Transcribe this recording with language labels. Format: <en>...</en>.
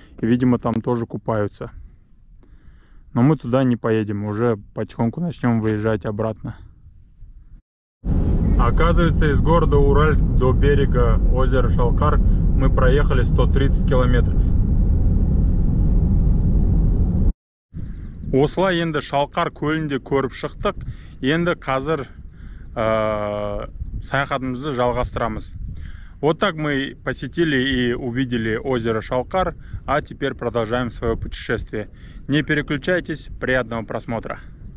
<ru>И, видимо, там тоже купаются. Но мы туда не поедем, уже потихоньку начнем выезжать обратно. Оказывается, из города Уральск до берега озера Шалкар мы проехали 130 километров.</ru> <kk>Осылай енді Шалкар көлінде көріп шықтық. Енді қазір саяхатымызды жалғастырамыз.</kk> <ru>Вот так мы посетили и увидели озеро Шалкар, а теперь продолжаем свое путешествие. Не переключайтесь, приятного просмотра!</ru>